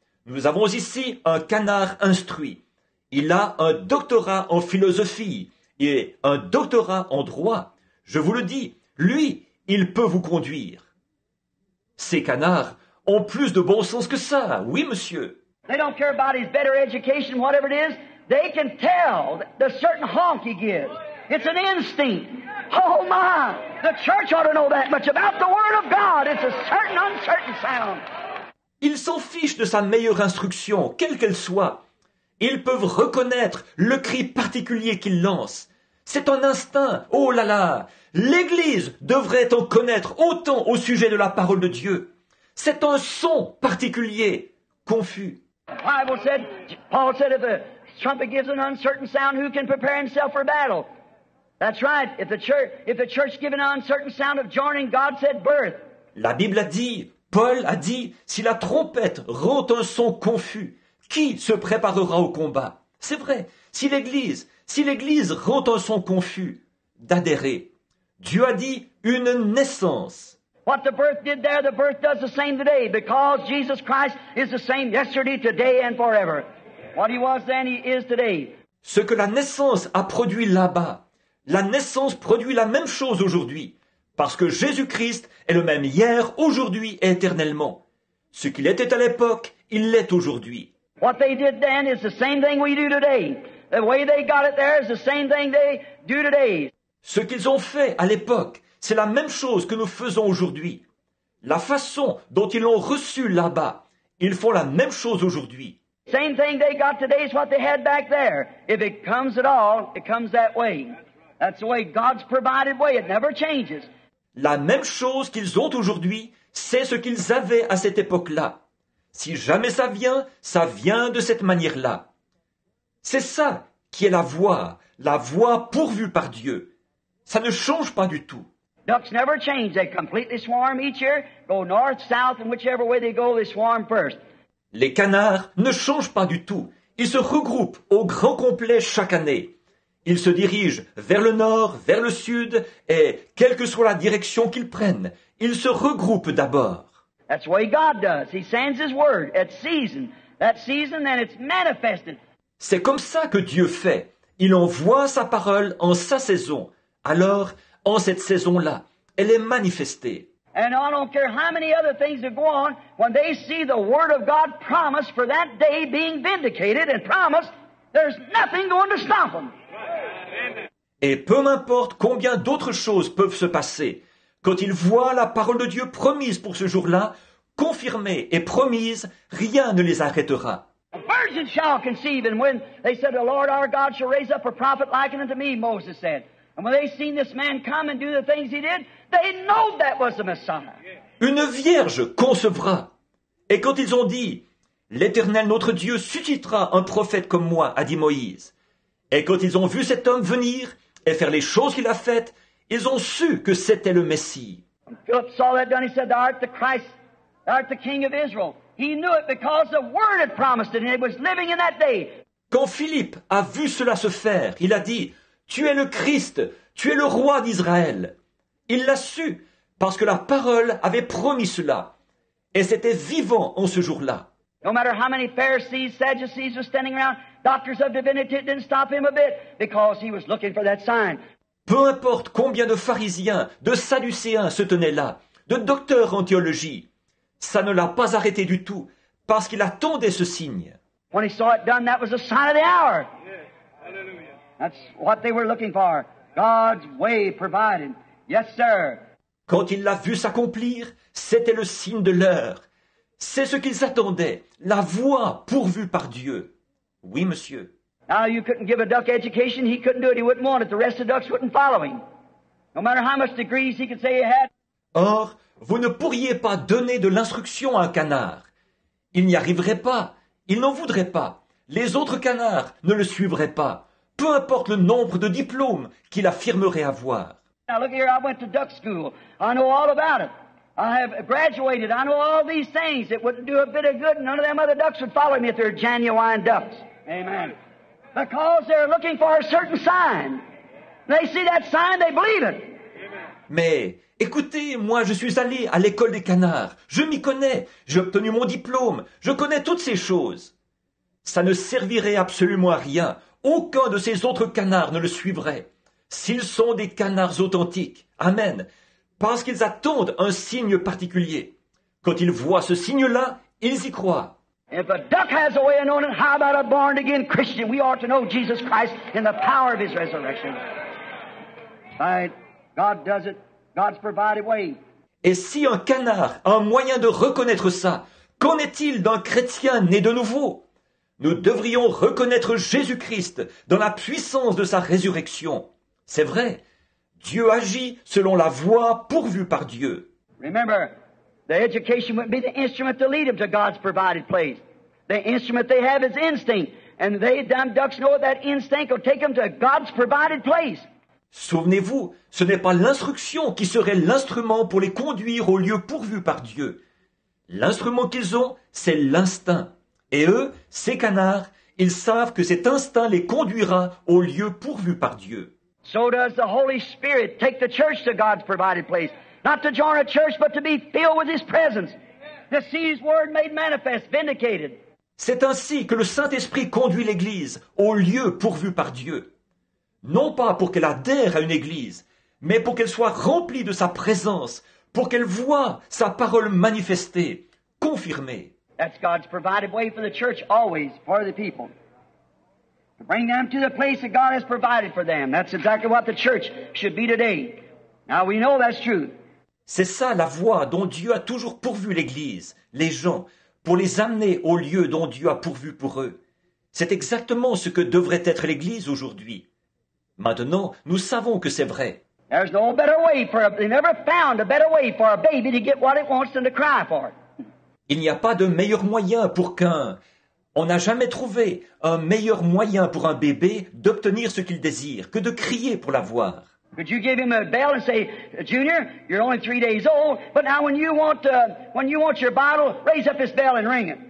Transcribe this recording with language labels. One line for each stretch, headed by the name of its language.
French: Nous avons ici un canard instruit. Il a un doctorat en philosophie et un doctorat en droit. Je vous le dis, lui, il peut vous conduire. Ces canards ont plus de bon sens que ça, oui, monsieur.
English: They don't care about his better education, whatever it is. They can tell the certain honk he gives. It's an instinct. Oh my! The church ought to know that much about the word of God. It's a certain, uncertain sound.
French: Ils s'en fichent de sa meilleure instruction, quelle qu'elle soit. Ils peuvent reconnaître le cri particulier qu'il lance. C'est un instinct. Oh là là! L'Église devrait en connaître autant au sujet de la parole de Dieu. C'est un son particulier, confus.
English: The Bible said, Paul said, if the trumpet gives an uncertain sound, who can prepare himself for battle? That's right. If the church gives an uncertain sound of joining, God said birth.
French: La Bible a dit, Paul a dit, si la trompette rend un son confus, qui se préparera au combat? C'est vrai. Si l'Église rend un son confus d'adhérer, Dieu a dit une naissance.
English: What the birth did there, the birth does the same today, because Jesus Christ is the same yesterday, today and forever. What he was then, he is today.
French: Ce que la naissance a produit là-bas, la naissance produit la même chose aujourd'hui, parce que Jésus-Christ est le même hier, aujourd'hui et éternellement. Ce qu'il était à l'époque, il l'est aujourd'hui.
English: What they did then is the same thing we do today. The way they got it there is the same thing they do today.
French: Ce qu'ils ont fait à l'époque, c'est la même chose que nous faisons aujourd'hui. La façon dont ils l'ont reçu là-bas, ils font la même chose aujourd'hui.
English: Same thing they got today is what they had back there. If it comes at all, it comes that way. That's the way God's provided way. It never changes.
French: La même chose qu'ils ont aujourd'hui, c'est ce qu'ils avaient à cette époque-là. Si jamais ça vient de cette manière-là. C'est ça qui est la voie pourvue par Dieu. Ça ne change pas du tout.
English: Ducks never change. They completely swarm each year, go north, south, and whichever way they go, they swarm first.
French: Les canards ne changent pas du tout. Ils se regroupent au grand complet chaque année. Ils se dirigent vers le nord, vers le sud, et quelle que soit la direction qu'ils prennent, ils se regroupent d'abord.
English: That's what God does. He sends His word at season. That season, then it's manifested.
French: C'est comme ça que Dieu fait. Il envoie sa parole en sa saison. Alors, en cette saison-là, elle est manifestée.
English: And I don't care how many other things that go on, when they see the word of God promised for that day being vindicated and promised, there's nothing going to stop them.
French: Et peu m'importe combien d'autres choses peuvent se passer, quand ils voient la parole de Dieu promise pour ce jour-là, confirmée et promise, rien ne les arrêtera.
English: A virgin shall conceive, and when they said, the Lord our God shall raise up a prophet like unto me, Moses said. And when they seen this man come and do the things he did, they know that was the Messiah.
French: Une vierge concevra. Et quand ils ont dit, l'Éternel notre Dieu suscitera un prophète comme moi, a dit Moïse. Et quand ils ont vu cet homme venir et faire les choses qu'il a faites, ils ont su que c'était le Messie.
English: When Philip saw that done, he said, thou art the Christ, thou art the King of Israel. He knew it because the word had promised it and it was living in that day.
French: Quand Philippe a vu cela se faire, il a dit, tu es le Christ, tu es le roi d'Israël. Il l'a su parce que la parole avait promis cela. Et c'était vivant en ce jour-là.
English: No matter how many Pharisees, Sadducees were standing around, doctors of divinity didn't stop him a bit because he was looking for that sign.
French: Peu importe combien de pharisiens, de sadducéens se tenaient là, de docteurs en théologie, ça ne l'a pas arrêté du tout parce qu'il attendait ce signe.
English: When he saw it done, that was a sign of the hour. Yes. Hallelujah. That's what they were looking for. God's way provided. Yes, sir.
French: Quand il l'a vu s'accomplir, c'était le signe de l'heure. C'est ce qu'ils attendaient, la voie pourvue par Dieu. Oui, monsieur.
English: Now you couldn't give a duck education, he couldn't do it, he wouldn't want it, the rest of the ducks wouldn't follow him. No matter how much degrees he could say he had.
French: Or, vous ne pourriez pas donner de l'instruction à un canard. Il n'y arriverait pas, il n'en voudrait pas. Les autres canards ne le suivraient pas. Peu importe le nombre de diplômes qu'il affirmerait avoir.
English: Now look here, I went to duck school. I know all about it. I have graduated. I know all these things. It wouldn't do a bit of good. None of them other ducks would follow me if they're genuine ducks. Amen. Because they're looking for a certain sign. They see that sign, they believe it.
French: Mais écoutez, moi je suis allé à l'école des canards. Je m'y connais. J'ai obtenu mon diplôme. Je connais toutes ces choses. Ça ne servirait absolument à rien. Aucun de ces autres canards ne le suivrait. S'ils sont des canards authentiques, amen, parce qu'ils attendent un signe particulier. Quand ils voient ce signe-là, ils y croient.
English: If a duck has a way of knowing, how about a born-again Christian? We ought to know Jesus Christ in the power of His resurrection. Right? God does it. God's provided way.
French: Et si un canard a un moyen de reconnaître ça, qu'en est-il d'un chrétien né de nouveau? Nous devrions reconnaître Jésus-Christ dans la puissance de sa résurrection. C'est vrai, Dieu agit selon la voie pourvue par Dieu.
English: Remember, the education wouldn't be the instrument to lead them to God's provided place. The instrument they have is instinct, and they dumb ducks know that instinct will take them to God's provided place.
French: Souvenez-vous, ce n'est pas l'instruction qui serait l'instrument pour les conduire au lieu pourvu par Dieu. L'instrument qu'ils ont, c'est l'instinct. Et eux, ces canards, ils savent que cet instinct les conduira au lieu pourvu par Dieu.
English: So does the Holy Spirit take the church to God's provided place. Not to join a church, but to be filled with His presence. To see His word made manifest, vindicated.
French: C'est ainsi que le Saint-Esprit conduit l'Église au lieu pourvu par Dieu. Non pas pour qu'elle adhère à une Église, mais pour qu'elle soit remplie de sa présence, pour qu'elle voie sa parole manifestée, confirmée.
English: That's God's provided way for the church always for the people. To bring them to the place that God has provided for them. That's exactly what the church should be today. Now we know that's true.
French: C'est ça la voie dont Dieu a toujours pourvu l'Église, les gens, pour les amener au lieu dont Dieu a pourvu pour eux. C'est exactement ce que devrait être l'Église aujourd'hui. Maintenant, nous savons que c'est vrai.
English: There's no better way for a, they never found a better way for a baby to get what it wants than to cry for it.
French: Il n'y a pas de meilleur moyen pour qu'un... On n'a jamais trouvé un meilleur moyen pour un bébé d'obtenir ce qu'il désire que de crier pour l'avoir.
English: Could you give him a bell and say, Junior, you're only 3 days old, but now when you want your bottle, raise up this bell and ring it.